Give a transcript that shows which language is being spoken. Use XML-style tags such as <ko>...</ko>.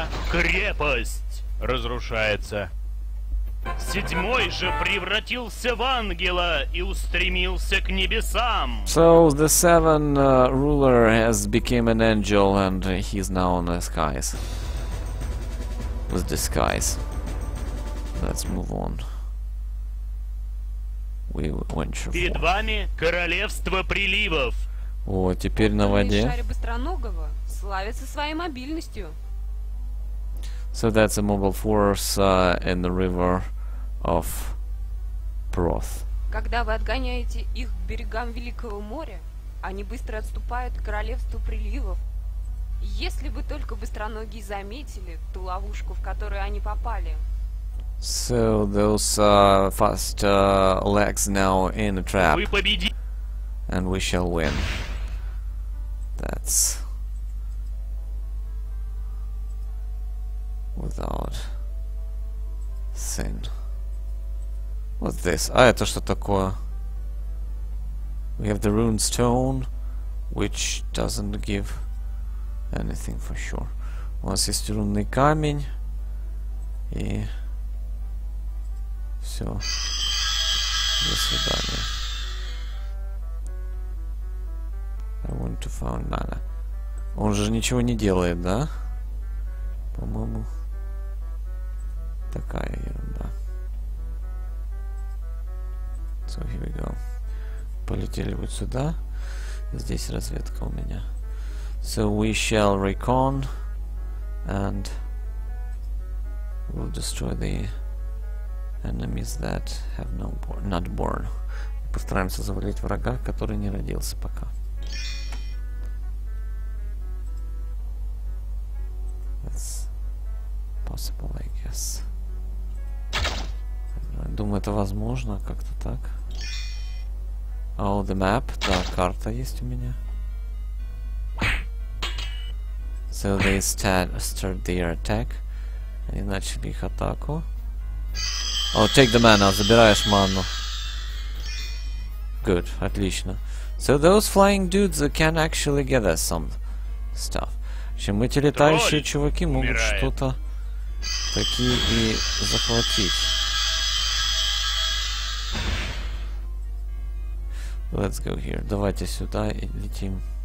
<ru>Крепость разрушается. Седьмой же превратился в ангела и устремился к небесам.</ru> <en>So the seven ruler has became an angel and he's now in the skies. With disguise. Let's move on. We venture.</en> <ru>Перед вами королевство приливов. О, теперь на воде. Шарик быстроногого славится своей мобильностью.</ru> <en>So that's a mobile force in the river of Proth.</en> <ru>Когда вы отгоняете их к берегам Великого моря, они быстро отступают к королевству приливов. Если бы только быстроногие заметили ту ловушку, в которую они попали.</ru> <en>So those fast legs now in a trap.</en> <ru>Вы победите.</ru> <en>And we shall win. That's without sin. What's this?</en> <ru>А это что такое?</ru> <en>We have the rune stone, which doesn't give anything for sure.</en> <ru>У нас есть рунный камень и все. До свидания.</ru> <en>I want to find mana.</en> <ru>Он же ничего не делает, да? По-моему, такая ерунда.</ru> <en>So here we go.</en> <ru>Полетели вот сюда. Здесь разведка у меня.</ru> <en>So we shall recon and we'll destroy the enemies that have not born.</en> <ru>Постараемся завалить врага, который не родился пока.</ru> <en>That's possible, I guess.</en> <ru>Думаю, это возможно, как-то так.</ru> <en>Oh, the map.</en> <ru>Да, карта есть у меня.</ru> <en>So they start their attack.</en> <ru>Они начали их атаку.</ru> <en>Oh, take the mana.</en> <ru>Забираешь ману.</ru> <en>Good.</en> <ru>Отлично.</ru> <en>So those flying dudes can actually get us some stuff.</en> <ru>В общем, эти летающие чуваки могут что-то такие и захватить.</ru> <en>Let's go here.</en> <ru>Давайте сюда и летим.</ru>